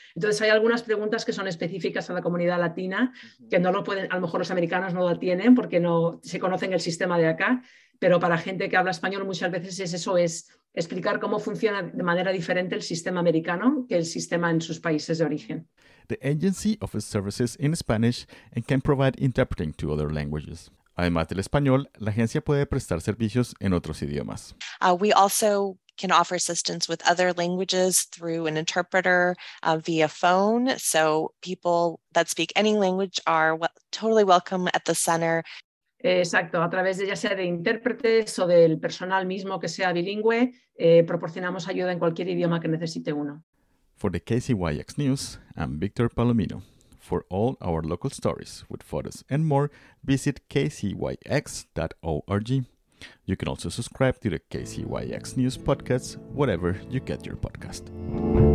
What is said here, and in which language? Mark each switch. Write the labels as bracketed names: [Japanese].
[Spanish] Entonces hay algunas preguntas que son específicas a la comunidad latina que no lo pueden, a lo mejor los americanos no la tienen porque no se conocen el sistema de acá, pero para gente que habla español muchas veces es eso, es explicar cómo funciona de manera diferente el sistema americano que el sistema en sus países de origen. [English] The agency offers services in Spanish and can provide interpreting to other languages. [Spanish] Además del español, la agencia puede prestar servicios en otros idiomas. [English] We also can offer assistance with other languages through an interpreter via phone. So people that speak any language are totally welcome at the center. [Spanish] Exacto, a través de ya sea de intérpretes o del personal mismo que sea bilingüe, proporcionamos ayuda en cualquier idioma que necesite uno. [English] For the KCYX News, I'm Victor Palomino. For all our local stories with photos and more, visit kcyx.org. You can also subscribe to the KCYX News podcast, wherever you get your podcast.